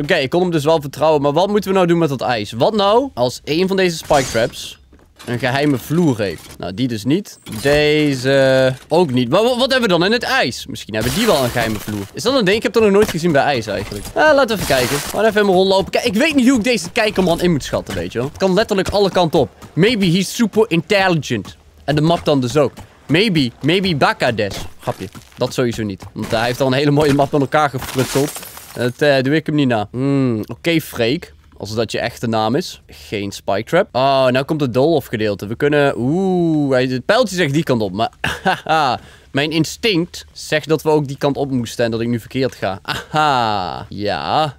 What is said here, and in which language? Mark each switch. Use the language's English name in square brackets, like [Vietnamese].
[Dutch] Oké, ik kon hem dus wel vertrouwen. Maar wat moeten we nou doen met dat ijs? Wat nou als één van deze spike traps een geheime vloer heeft? Nou, die dus niet. Deze ook niet. Maar wat hebben we dan in het ijs? Misschien hebben die wel een geheime vloer. Is dat een ding? Ik heb dat nog nooit gezien bij ijs eigenlijk. Laten we even kijken. Laten we even helemaal rondlopen. Kijk, ik weet niet hoe ik deze kijkerman in moet schatten, weet je wel. Het kan letterlijk alle kanten op. [English] Maybe he's super intelligent. [Dutch] En de map dan dus ook. Maybe Bakades. Grapje. Dat sowieso niet. Want hij heeft al een hele mooie map met elkaar gefrutseld. Dat doe ik hem niet na. Oké, Freek. Als dat je echte naam is. Geen spike trap. Oh, nou komt het dolhof gedeelte. We kunnen... het pijltje zegt die kant op. Maar mijn instinct zegt dat we ook die kant op moesten. En dat ik nu verkeerd ga. Ja.